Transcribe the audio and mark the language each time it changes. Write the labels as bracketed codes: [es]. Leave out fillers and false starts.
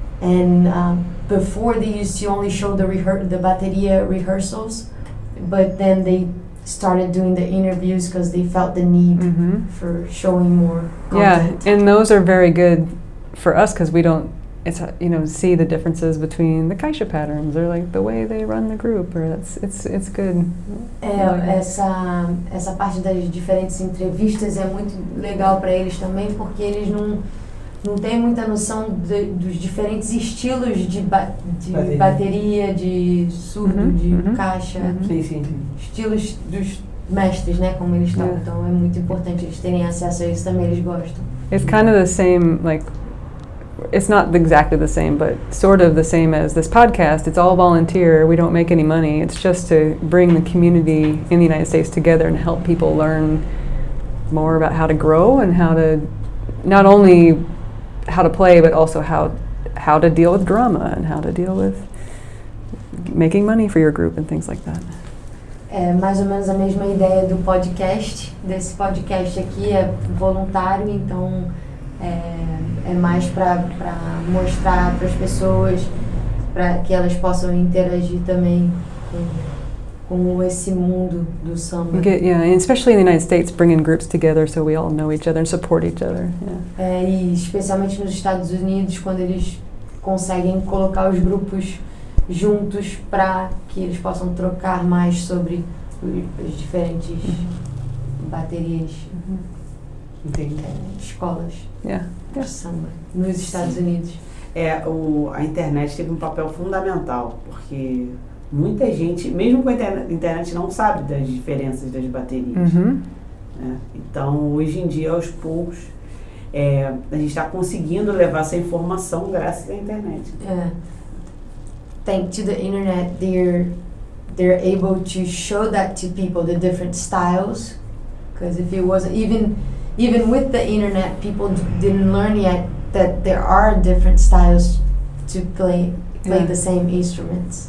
[en] And before they used to only show the bateria rehearsals, but then they started doing the interviews because they felt the need mm-hmm. for showing more content. Yeah, and those are very good for us because we don't see the differences between the caixa patterns or like the way they run the group or it's good. [pt] É, essa parte das diferentes entrevistas é muito legal para eles também porque eles não têm muita noção dos diferentes estilos de bateria, de surdo, uh-huh, de uh-huh. caixa. Uh-huh. Sim, sim, sim. Estilos dos mestres, né, como eles estão. Yeah. Então é muito importante eles terem acesso a isso também, eles gostam. [en] It's kind of the same like it's not exactly the same, but sort of the same as this podcast. It's all volunteer. We don't make any money. It's just to bring the community in the United States together and help people learn more about how to grow and how to not only how to play, but also how to deal with drama and how to deal with making money for your group and things like that. [pt] É mais ou menos a mesma ideia do podcast. Desse podcast aqui é voluntário, então é mais para mostrar para as pessoas, para que elas possam interagir também com esse mundo do samba. [en] Yeah, and especially in the United States, bringing groups together so we all know each other and support each other. Yeah. [pt] É, e especialmente nos Estados Unidos, quando eles conseguem colocar os grupos juntos para que eles possam trocar mais sobre as diferentes mm-hmm. baterias. Mm-hmm. Escolas [en] yeah. [pt] de samba nos Estados Unidos. A internet teve um papel fundamental, porque muita gente, mesmo com a internet, não sabe das diferenças das baterias. Uhum. Né? Então, hoje em dia, aos poucos, a gente está conseguindo levar essa informação graças à internet. [en] Thanks to the internet, they're able to show that to people, the different styles. Because if it wasn't, even with the internet, people didn't learn yet that there are different styles to play the same instruments.